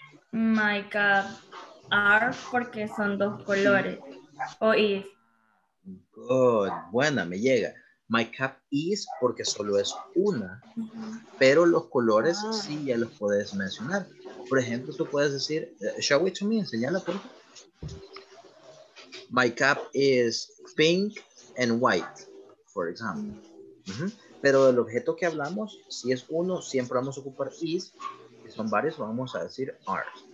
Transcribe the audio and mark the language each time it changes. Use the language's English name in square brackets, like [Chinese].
[English] My cap are [Spanish] porque son dos colores. O is. Good. Buena, me llega. [English] My cap is [Spanish] porque solo es una, pero los colores sí ya los puedes mencionar. Por ejemplo, tú puedes decir, [English] show it to me, [Spanish] enséñala, por favor. [English] My cap is pink and white, for example. [Spanish] Pero el objeto que hablamos, si es uno, siempre vamos a ocupar is, si son varios, vamos a decir are.